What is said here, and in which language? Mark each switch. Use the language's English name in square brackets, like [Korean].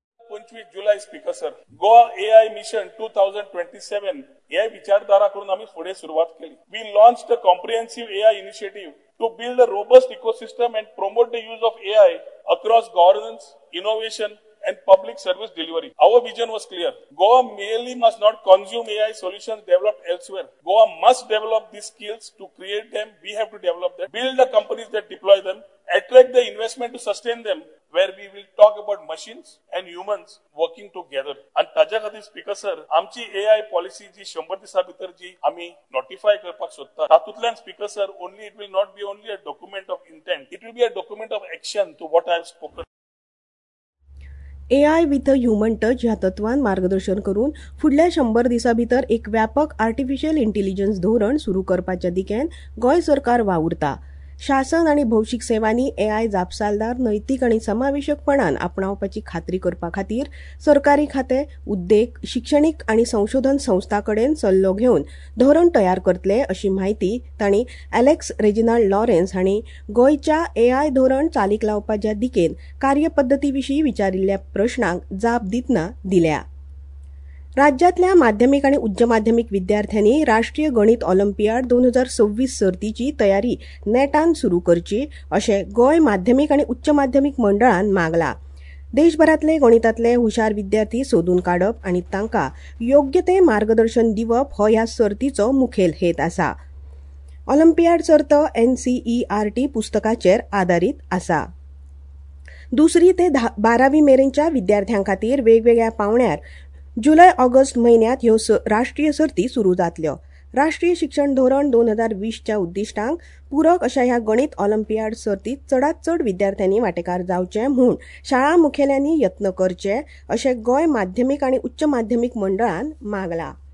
[Marathi] 25 जुलै speaker sir, Goa AI mission 2027 हे विचारधारा करून आम्ही पुढे सुरुवात केली. [English] We launch the comprehensive AI initiative to build a robust ecosystem and promote the use of AI across governance, innovation and public service delivery. Our vision was clear. Goa merely must not consume AI solutions developed elsewhere. Goa must develop these skills to create them. We have to develop them, build the companies that deploy them, attract the investment to sustain them, where we will talk about machines and humans working together. [Goan Konkani] And taja khatir speaker sir, amchi AI policy ji 100 disa bhitar ji ami notify karpak sotta. Tatutlan [English] speaker sir, only it will not be only a document of intent, it will be a document of action to what I have spoken. AI with a human touch [Goan Konkani] ह्या तत्वान मार्गदर्शन करून फुडल्या 100 दिसा भितर एक व्यापक artificial intelligence धोरण सुरू करपाच्या दिकेन गोय सरकार वावुरता. शासन आणि भौशीक सेवांनी AI जापसालदार नैतिक आणि समावेशकपणान आपणावपाची खात्री करपा खातीर सरकारी खाते, उद्देग, शिक्षणिक आणि संशोधन संस्थाकडेन सल्लो घेऊन धोरण तयार करतले अशी माहिती तांणी एलेक्स रेजिनाल्ड लॉरेन्स हांणी गोयच्या AI धोरण चालीक लावपाच्या दिकेन कार्यपद्धतीविशी विचारिल्ल्या प्रश्नांक जाप दितना दिल्या. राज्यातल्या माध्यमिक आणि उच्च माध्यमिक विद्यार्थ्यांनी राष्ट्रीय गणित ऑलिम्पियाड 2026 सर्तीची तयारी नेटान सुरू करची अशें गोय माध्यमिक आणि उच्च माध्यमिक मंडळान मागला. देशभरातले गणितातले हुशार विद्यार्थी सोदून काढप आणि तांकां योग्य ते मार्गदर्शन दिवप हो ह्या सर्तीचो मुखेल हेत आसा. ऑलिम्पियाड सर्त NCERT पुस्तकाचेर आधारित आसा. 2 ते 12 मेरेनच्या विद्यार्थ्यां खातीर वेगवेगळ्या पावण्यार जुलै ऑगस्ट महिन्यात ह्यो राष्ट्रीय सर्ती सुरू जातल्यो. राष्ट्रीय शिक्षण धोरण 2020 उद्दिष्टांक पूरक अशा ह्या गणित ऑलिम्पियाड सर्तीत चडात चड विद्यार्थ्यांनी वांटेकार जावचे म्हूण शाळा मुखेल्यांनी यत्न करचे अशें गोंय माध्यमिक आणि उच्च माध्यमिक मंडळान मागला.